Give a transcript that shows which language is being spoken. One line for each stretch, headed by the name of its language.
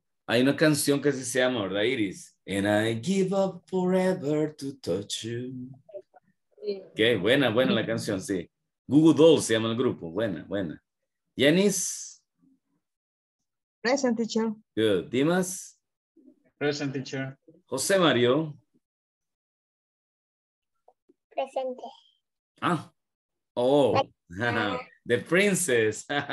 Spanish: Hay una canción que así se llama, ¿verdad, Iris?
English: And I give up forever to touch you.
Spanish: Qué okay, buena, buena la canción, sí. Google Dolls se llama el grupo, buena, buena. Yanis.
English: Present, teacher. Good. Dimas. Present, teacher. José Mario.
Spanish: Presente.
English: Ah. Oh. The princess.